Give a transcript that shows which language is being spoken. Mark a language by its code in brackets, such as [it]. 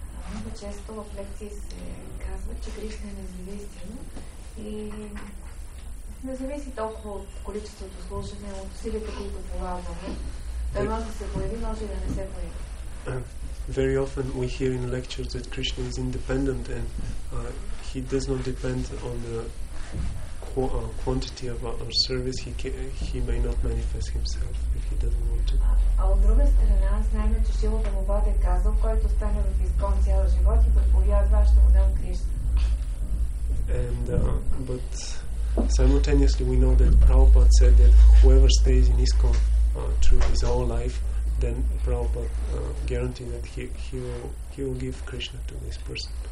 [bg] Много често в лекции се казва, че Кришна е независимо и не зависи толкова от количеството служене, от усилията, които полагаме. Той може да се появи, може да не се появи. [en] Very often we hear in lectures that Krishna is independent and he does not depend on the quantity of our service. He may not manifest himself if he doesn't want to. [bg] А от друга страна, знаем, че Шрила Прабхупада е казал, който остане в ИСКОН цял живот и проповядва, ще му дам Кришна. [en] And but simultaneously we know that Prabhupada said that whoever stays in ISKCON through his whole life, then Prabhupada guarantee that he will give Krishna to this person.